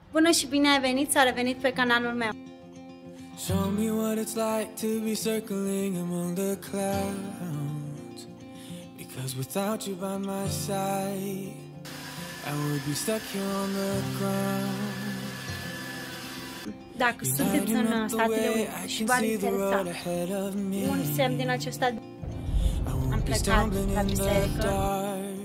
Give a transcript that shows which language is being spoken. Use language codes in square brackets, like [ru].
[ro] Bună și bine ai venit sau revenit pe canalul meu. [en] Show me what it's like to be circling among the clouds, because without you by my side I would be stuck here on the ground. [ro] Dacă sunteți în Statele Unite și v-ar interesa un semn din acesta, am plecat la biserică.